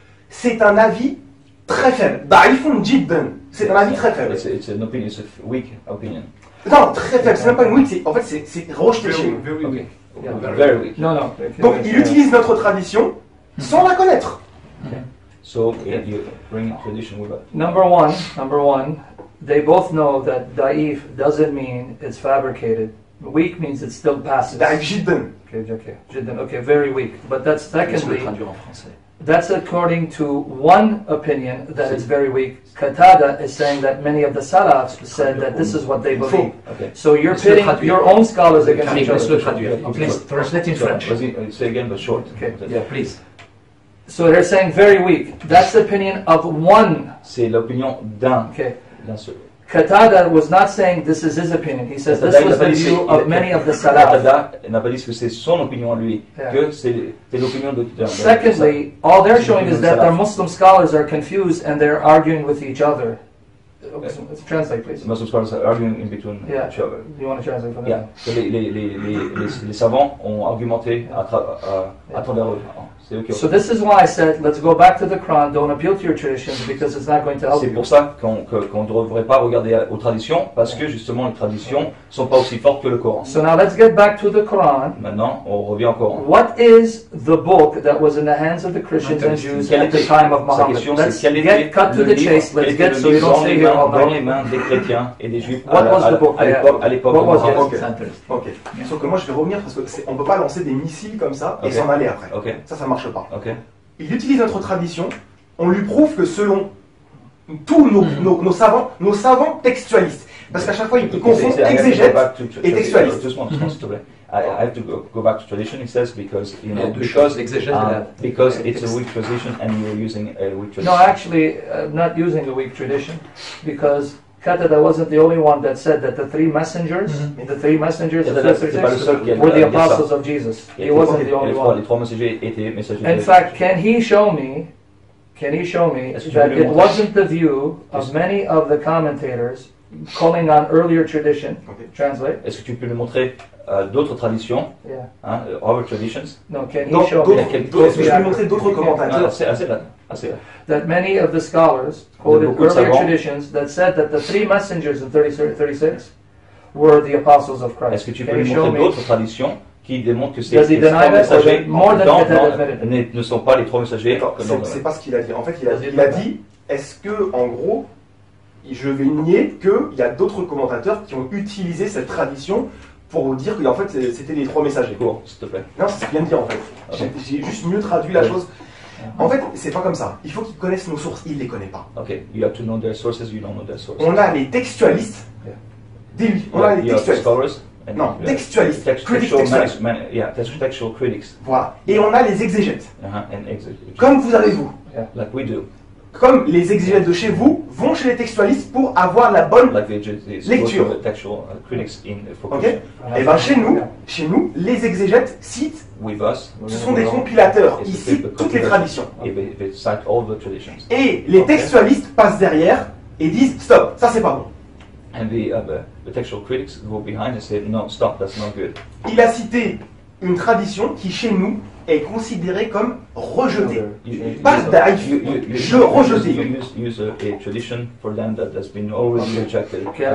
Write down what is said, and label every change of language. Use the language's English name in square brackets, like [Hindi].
[French] C'est un avis très faible. [Arabic] Da'ifun jibben. [French] C'est un avis très faible. [English] It's an opinion, it's a weak opinion. [French] Non, très faible, c'est même pas une weak, en fait c'est rejeté chez [English] nous. Ok. Yeah, very weak. [French] Non, non. Donc il utilise notre tradition sans la connaître. [English] Okay. So you bring tradition with us. Number one, they both know that daif doesn't mean it's fabricated. Weak means it still passes. [Arabic] Daif jiddan. [English] Okay, jiddan. Okay, very weak. But that's secondly. That's according to one opinion that it's very weak. Qatada is saying that many of the Salafs said that this is what they believe. Okay. So you're pitting your own scholars against each other. Please translate in French. Say again, but short. Okay. Yeah, please. So they're saying very weak. That's the opinion of one. [French] C'est l'opinion d'un. [English] Okay. Qatada was not saying this is his opinion. He says this was the view of many of the Salaf. [French] Qatada n'a pas dit que c'est son opinion à lui, que c'est l'opinion de tout le monde. [English] Secondly, all they're showing is that their Muslim scholars are confused and they're arguing with each other. Translate, please. Muslim scholars are arguing in between each other. You want to translate for them? [French] Yeah. Les savants ont argumenté à travers eux. Okay. [English] So this is why I said, let's go back to the Quran, don't appeal to your traditions, because it's not going to help you. [French] C'est pour ça qu'on ne devrait pas regarder aux traditions, parce que justement les traditions ne sont pas aussi fortes que le Coran. [English] So now let's get back to the Quran. [French] Maintenant, on revient au Coran. [English] What is the book that was in the hands of the Christians and Jews at the time of Muhammad? Question, let's get cut to the chase, let's get so you don't stay here all [French] night. Dans les mains des chrétiens et des juifs à l'époque de Muhammad. [English] Okay. Okay. [French] Sauf que moi je vais revenir, parce qu'on ne peut pas lancer des missiles comme ça et s'en aller après. [English] Okay. [French] Ça marche pas. [English] Okay. [French] Il utilise notre tradition, on lui prouve que selon tous nos savants textualistes, parce qu'à chaque fois il confond exégète et textualiste. [English] Just one, [French] s'il te plaît. [English] I have to go back to tradition, he says, because, you know, because it's a weak tradition and you're using a weak tradition. No, actually, I'm not using a weak tradition, because Qatada wasn't the only one that said that the three messengers were the apostles of Jesus. He wasn't the only one. [French] Les trois messagers étaient messagers. [English] In fact, can he show me that it wasn't the view of many of the commentators calling on earlier tradition? Okay. Translate. [French] Est-ce que tu peux me montrer d'autres traditions? [English] Yeah. Hein, other traditions? No, can he show me? [French] Est-ce que je peux me montrer d'autres commentateurs? [English] That many of the scholars quoted earlier traditions that said that the three messengers in 36 were the apostles of Christ. [French] Est-ce que tu peux nous montrer d'autres traditions qui démontrent que ces trois messagers ne sont pas les trois messagers? C'est pas ce qu'il a dit. En fait, il a dit, est-ce que, en gros, je vais nier qu'il y a d'autres commentateurs qui ont utilisé cette tradition pour vous dire qu'en fait, c'était les trois messagers? Cours, s'il te plaît. Non, c'est ce qu'il vient de dire, en fait. Okay. J'ai juste mieux traduit la chose. En fait, c'est pas comme ça. Il faut qu'ils connaissent nos sources. Ils les connaissent pas. [English] Okay. You have to know their sources. You don't know their sources. [French] On a les textualistes. Dis lui. On a les textualistes. [English] Scholars. [French] Non. Textualistes. [English] Textual critics. [French] Voilà. Et on a les exégètes. [English] And exégètes. [French] Comme vous avez vous. [English] Yeah. Like we do. [French] Comme les exégètes de chez vous vont chez les textualistes pour avoir la bonne lecture. [English] Textual critics in [French] focus. Okay. Et bien chez nous, les exégètes citent, [English] with us, [French] ce sont des compilateurs, ils citent toutes les traditions. [English] They cite all the traditions. [French] Et les textualistes passent derrière et disent stop, ça c'est pas bon. [English] And the textual critics go behind and say no, stop, that's not good. [French] Il a cité une tradition qui chez nous est considéré comme rejeté. Pas d'aïf, je rejeté. [English] Use a tradition for them that has been already rejected.